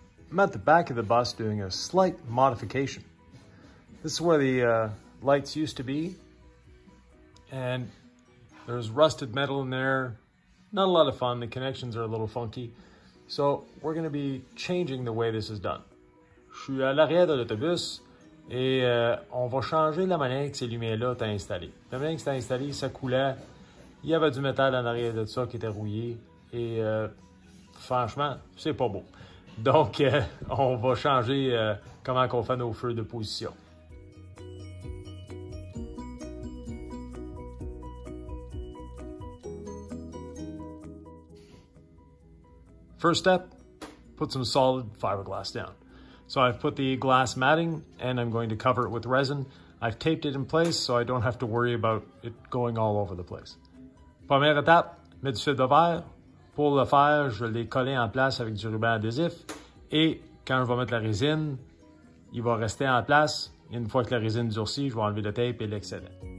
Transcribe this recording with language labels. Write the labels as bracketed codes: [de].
[en] I'm at the back of the bus doing a slight modification. This is where the lights used to be. And there's rusted metal in there. Not a lot of fun. The connections are a little funky. So we're going to be changing the way this is done. [fr] Je suis à l'arrière de l'autobus et on va changer la manière que ces lumières-là étaient installées. La manière que c'était installé, ça coulait. Il y avait du métal en arrière de ça qui était rouillé. Et franchement, c'est pas beau. Donc, on va changer comment on fait nos feux de position. [en] First step, put some solid fiberglass down. So I've put the glass matting and I'm going to cover it with resin. I've taped it in place so I don't have to worry about it going all over the place. [fr] Première étape, mets du fil de verre. Pour le faire, je l'ai collé en place avec du ruban adhésif. Et quand je vais mettre la résine, il va rester en place. Et une fois que la résine durcit, je vais enlever le tape et l'excédent.